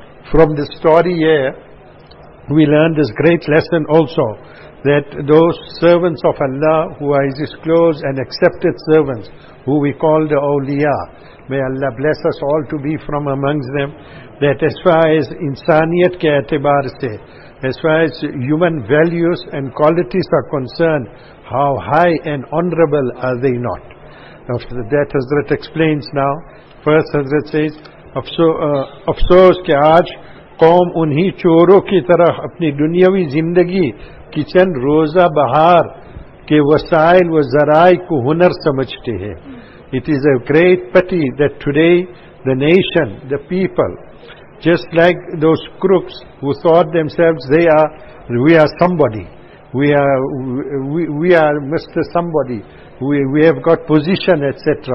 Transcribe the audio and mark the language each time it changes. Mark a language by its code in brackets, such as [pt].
[en] From this story here, we learn this great lesson also, that those servants of Allah who are His close and accepted servants, who we call the awliya, may Allah bless us all to be from amongst them, that as far as [ur] انسانیت کے اعتبار سے [en] as far as human values and qualities are concerned, how high and honorable are they not? After that, Hazrat explains now. First, Hazrat says, [ur] افسوس کہ آج قوم انہی چوروں کی طرح اپنی دنیاوی زندگی کچن روزہ بہار کے وسائل و ذرائع کو ہنر سمجھتے ہیں. [en] It is a great pity that today the nation, the people, just like those crooks who thought themselves we are somebody, we have got position, etc.